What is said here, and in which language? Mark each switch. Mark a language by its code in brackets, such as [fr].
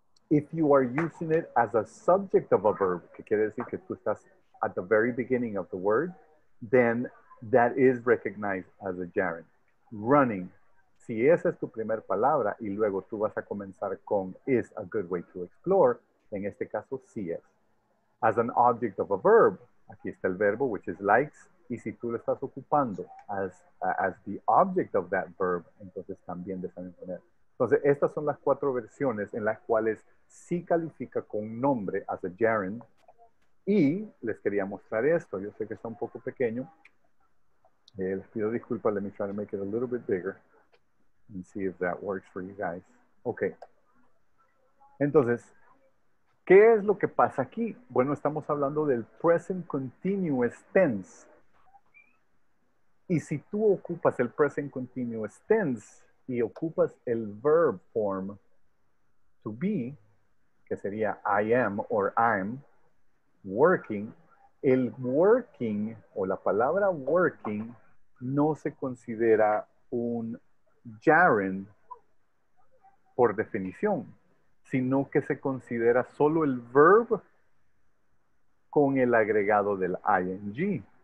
[en] If you are using it as a subject of a verb, [es] que quiere decir que tú estás [en] at the very beginning of the word, then that is recognized as a gerund. Running. [es] Si esa es tu primer palabra y luego tú vas a comenzar con [en] is a good way to explore, [es] en este caso sí es. [en] As an object of a verb, [es] aquí está el verbo, [en] which is likes, [es] y si tú lo estás ocupando [en] as the object of that verb, [es] entonces también de esa misma manera. Entonces, estas son las cuatro versiones en las cuales sí califica con nombre [en] as a gerund. [es] Y les quería mostrar esto, yo sé que está un poco pequeño, Les pido disculpas. [en] Let me try to make it a little bit bigger and see if that works for you guys. [es] Okay. Entonces, ¿qué es lo que pasa aquí? Bueno, estamos hablando del present continuous tense. Y si tú ocupas el present continuous tense y ocupas el [en] verb form to be, [es] que sería [en] I am or I'm working, [es] el working o la palabra working no se considera un gerund por definición, sino que se considera solo el verb con el agregado del ing.